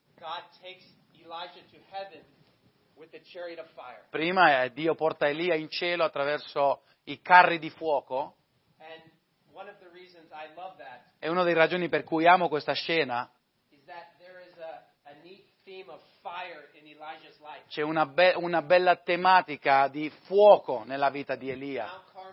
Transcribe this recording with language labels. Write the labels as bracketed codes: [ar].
[en] God takes Elijah to heaven with the chariot of fire. [it] Prima Dio porta Elia in cielo attraverso i carri di fuoco. [en] And one of the reasons I love that, [it] e una delle ragioni per cui amo questa scena, [en] is that there is a neat theme of fire in Elijah's life. [it] C'è una bella tematica di fuoco nella vita di Elia.